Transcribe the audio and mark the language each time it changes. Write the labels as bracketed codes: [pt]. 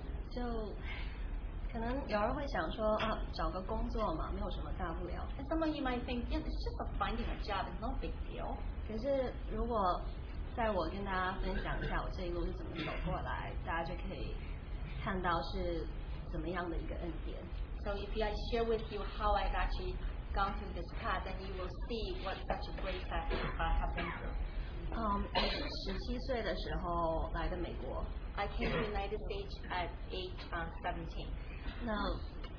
[zh] 就可能有人会想说，找个工作嘛，没有什么大不了。 [en] And some of you might think, yeah, it's just finding a job. It's no big deal. [zh] 可是如果在我跟大家分享一下我这一路是怎么走过来，大家就可以看到是怎么样的一个恩典。 [en] So if I share with you how I've actually gone through this path, then you will see what such a great path I have been through. [zh] 我是17岁的时候来的美国。 [en] I came to the United States at age 17.